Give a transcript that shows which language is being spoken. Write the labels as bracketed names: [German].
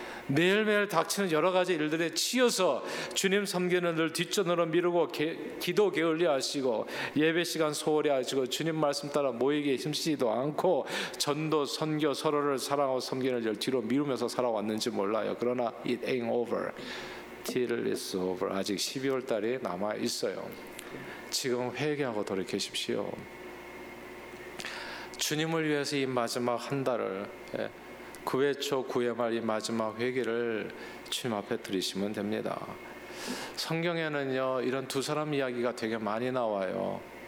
[Korean] 매일매일 닥치는 여러 가지 일들에 치여서 주님 섬기는 늘 뒷전으로 미루고 기도 게을리 하시고 예배 시간 소홀히 하시고 주님 말씀 따라 모이기에 힘쓰지도 않고 전도 선교 서로를 사랑하고 섬기는 일 뒤로 미루면서 살아왔는지 몰라요. 그러나 [English] it ain't over till it's over. [Korean] 아직 12월 달이 남아 있어요. 지금 회개하고 돌이키십시오. 주님을 위해서 이 마지막 한 달을 9회 초 9회 말 이 마지막 회개를 주님 앞에 드리시면 됩니다. 성경에는요 이런 두 사람 이야기가 되게 많이 나와요.